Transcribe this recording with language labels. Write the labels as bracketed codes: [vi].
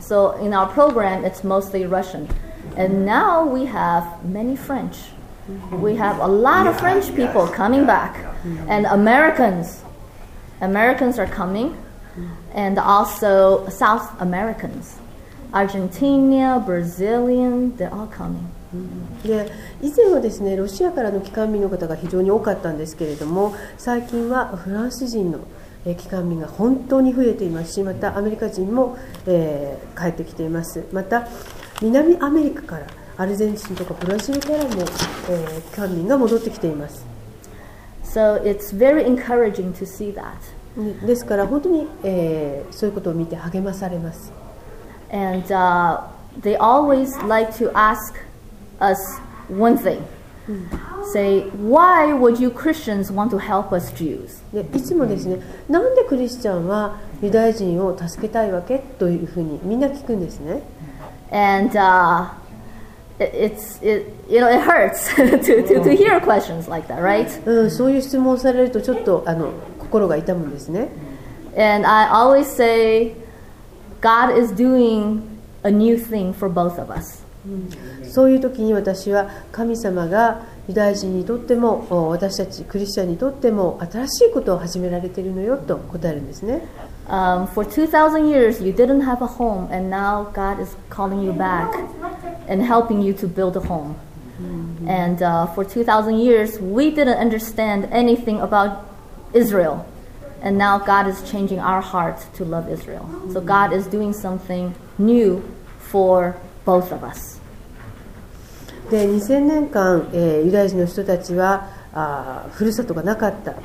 [en] So in our program, it's mostly Russian. And now we have many French. We have a lot of French people coming back. And Americans are coming. And also South Americans. Argentina, Brazilian, they're all coming. [ja] で、以前はですね、ロシアからの帰還民の方が非常に多かったんですけれども、最近はフランス人の帰還民が本当に増えていますし、またアメリカ人も、帰ってきています。また南アメリカからアルゼンチンとかブラジルからも、帰還民が戻ってきています。 [en] So it's very encouraging to see that. [ja] ですから本当に、そういうことを見て励まされます。 [en] And they always like to askUs one thing. Say, why would you Christians want to help us Jews? [ja] いつもですね、なんでクリスチャンはユダヤ人を助けたいわけというふうにみんな聞くんですね。 [en] And it hurts to hear questions like that, right? [ja] そういう質問されるとちょっと心が痛むんですね。 [en] And I always say, God is doing a new thing for both of us. [ja] そういう時に私は、神様がユダヤ人にとっても私たちクリスチャンにとっても新しいことを始められているのよと答えるんですね。 [en] For 2000 years you didn't have a home, and now God is calling you back and helping you to build a home. And for 2000 years we didn't understand anything about Israel, and now God is changing our hearts to love Israel. So God is doing something new forBoth of us. [ja] で、2000年間、ユダヤ人の人たちはふるさとがなかった。